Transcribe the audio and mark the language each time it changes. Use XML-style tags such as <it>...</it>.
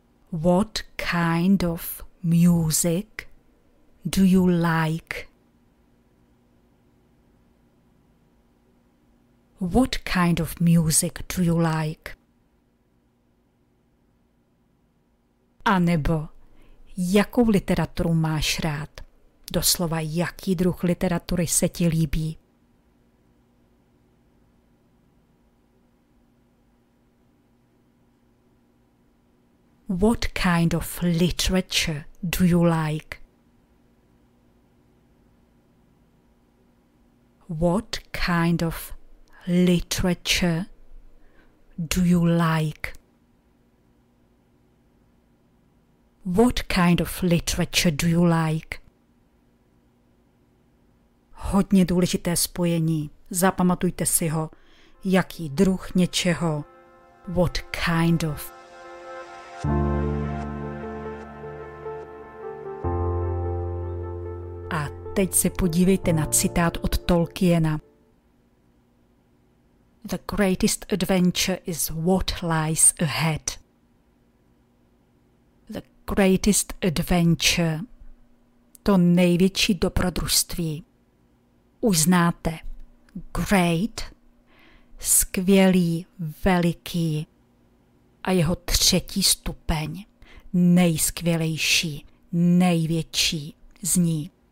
<en>What kind of music do you like? What kind of music do you like?</en> <cs>A nebo jakou literaturu máš rád? Doslova, jaký druh literatury se ti líbí?</cs> <en>What kind of literature do you like? What kind of literature do you like? What kind of literature do you like?</en> <cs>Hodně důležité spojení. Zapamatujte si ho. Jaký druh něčeho?</cs> <en>What kind of?</en> <cs>A teď se podívejte na citát od Tolkiena.</cs> <en>The greatest adventure is what lies ahead. Greatest adventure.</en> <cs>To největší dobrodružství. Uznáte. Great. Skvělý, veliký. A jeho třetí stupeň. Nejskvělejší, největší zní.</cs>